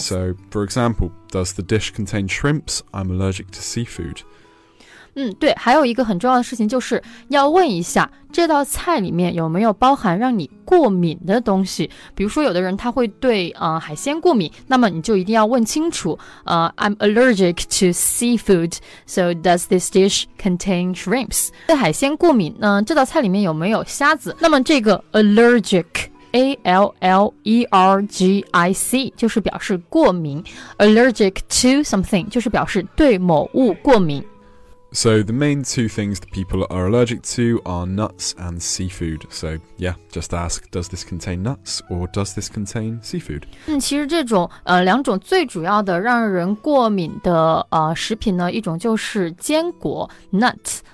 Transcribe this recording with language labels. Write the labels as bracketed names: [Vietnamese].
[English] So, for example, does the dish contain shrimps? I'm allergic to seafood. [Chinese] 对，还有一个很重要的事情就是要问一下这道菜里面有没有包含让你过敏的东西。比如说有的人他会对、海鲜过敏，那么你就一定要问清楚、 [English] I'm allergic to seafood, so does this dish contain shrimps? [Chinese] 对海鲜过敏、这道菜里面有没有虾子，那么这个 allergic,A-L-L-E-R-G-I-C 就是表示过敏， allergic to something 就是表示对某物过敏。 [English] So the main two things that people are allergic to are nuts and seafood. So yeah, just ask, does this contain nuts or does this contain seafood? [Chinese] 其实这种、两种最主要的让人过敏的、食品呢，一种就是坚果 nut.